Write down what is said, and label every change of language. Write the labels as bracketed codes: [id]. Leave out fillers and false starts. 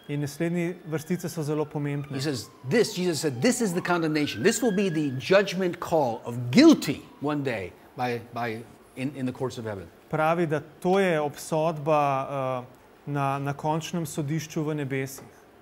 [sl] In naslednje vrstice so zelo pomembne. [en] He says, this, Jesus said, this is the condemnation. This will be the judgment call of guilty one day in the courts of heaven. [sl] Pravi, da to je obsodba na končnem sodišču v nebesih.